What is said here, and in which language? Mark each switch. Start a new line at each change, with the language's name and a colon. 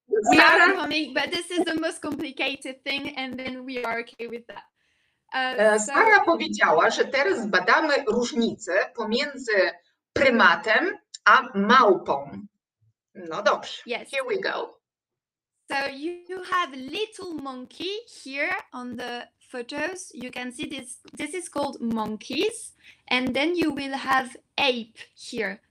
English: We are coming, but this is the most complicated thing and then we are okay with that.
Polish: Sara powiedziała, że teraz badamy różnicę pomiędzy prymatem a małpą. No dobrze.
English: Yes. Here we go. So you have little monkey here on the photos. You can see this. This is called monkeys. And then you will have ape here.